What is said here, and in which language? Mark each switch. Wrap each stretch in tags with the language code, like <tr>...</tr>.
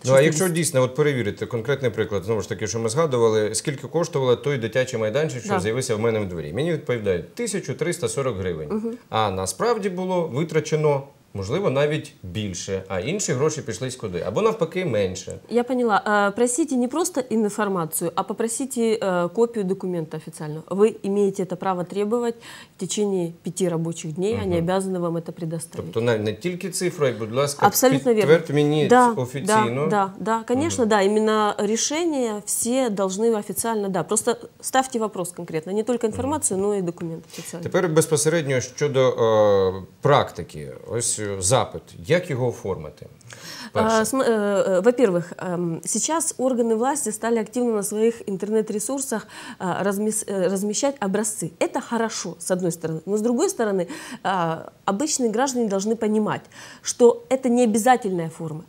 <uk>Ну, а якщо дійсно от перевірити конкретний приклад, знову ж таки, що ми згадували, скільки коштувало той дитячий майданчик, що з'явився в мене в дворі. Мені відповідають 1340 гривень. Угу. А насправді було витрачено... Можливо, навіть більше, а інші гроші пішлись куди? Або навпаки, менше.</uk> <ru>Я поняла.</ru> <uk>Просите не просто інформацію, а попросите копію документа офіційно.</uk> <ru>Ви имеете это право требовать в течение 5 робочих днів, угу. Они обязаны вам это предоставить.</ru> <uk>Тобто не тільки цифру, а, будь ласка, підтвердь мені</uk> <ru>да,</ru> <uk>офіційно.</uk> <ru>Да, конечно, угу. да. Именно рішення все должны офіційно, да. Просто ставьте вопрос конкретно. Не только информацию, угу. но и документ офіційно.</ru> <uk>Тепер безпосередньо щодо практики. Ось запит. Як його оформити?</uk> <ru>Во-первых, сейчас органы власти стали активно на своих интернет-ресурсах размещать образцы. Это хорошо, с одной стороны. Но с другой стороны, обычные граждане должны понимать, что это не обязательная форма.</ru>